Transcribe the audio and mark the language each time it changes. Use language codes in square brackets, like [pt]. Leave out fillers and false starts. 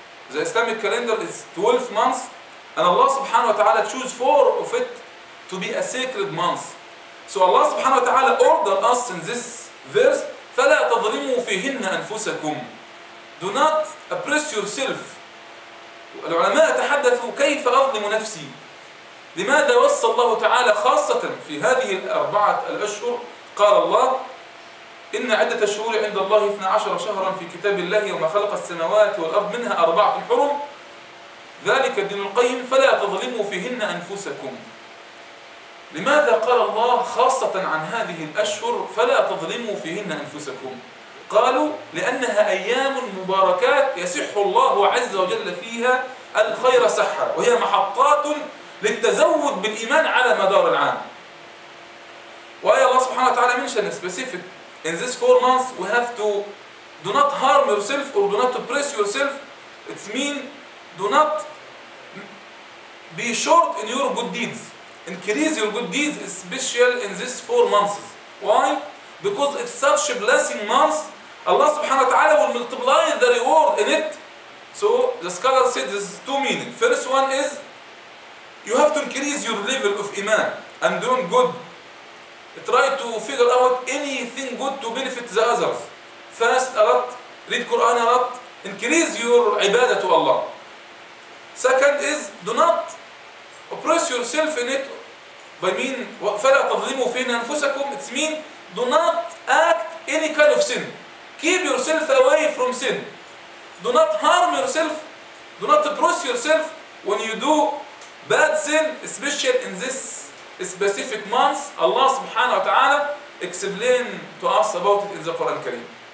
[en] The Islamic calendar is 12 months, and Allah subhanahu wa ta'ala choose 4 of it to be a sacred month. So Allah subhanahu wa ta'ala order us in this verse, [ar] فَلَا تَظْلِمُوا فِيهِنَّ أَنفُسَكُمْ. [en] Do not oppress yourself. [ar] العلماء تحدثوا كيف أظلم نفسي؟ لماذا وصى الله تعالى خاصة في هذه الأربعة الأشهر؟ قال الله: إن عدة الشهور عند الله 12 شهرا في كتاب الله يوم خلق السماوات والأرض منها أربعة حرم ذلك الدين القيم فلا تظلموا فيهن أنفسكم. لماذا قال الله خاصة عن هذه الأشهر فلا تظلموا فيهن أنفسكم؟ قالوا: لأنها أيام مباركات يسح الله عز وجل فيها الخير سحا، وهي محطات للتزود بالإيمان على مدار العام. وآية الله سبحانه وتعالى منشن [en] specific: In these 4 months, we have to do not harm yourself or do not oppress yourself. It means do not be short in your good deeds. Increase your good deeds, especially in these 4 months. Why? Because it's such a blessing month. Allah subhanahu wa ta'ala will multiply the reward in it. So the scholar said this is 2 meanings. First one is you have to increase your level of iman and doing good. Try to figure out anything good to benefit the others. Fast a lot, read Quran a lot, increase your ibadah to Allah. Second is, do not oppress yourself in it. By mean, [ar] فَلَا تَظْلِمُوا فِينَا أَنفُسَكُمْ. [en] It means, do not act any kind of sin. Keep yourself away from sin. Do not harm yourself. Do not oppress yourself when you do bad sin, especially in this specific month, Allah subhanahu wa ta'ala explained to us about it in the Quran Kareem.